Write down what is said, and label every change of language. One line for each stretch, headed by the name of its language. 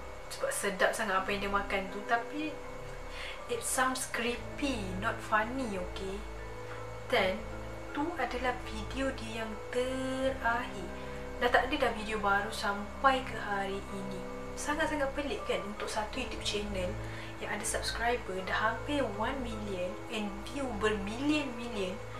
Malay: Sebab sedap sangat apa yang dia makan tu. Tapi
English: it sounds creepy, not funny, okay?
Malay: Then, tu adalah video dia yang terakhir. Dah tak ada dah video baru sampai ke hari ini. Sangat-sangat pelik kan untuk satu YouTube channel yang ada subscriber dah hampir 1 million and view berbilion-bilion.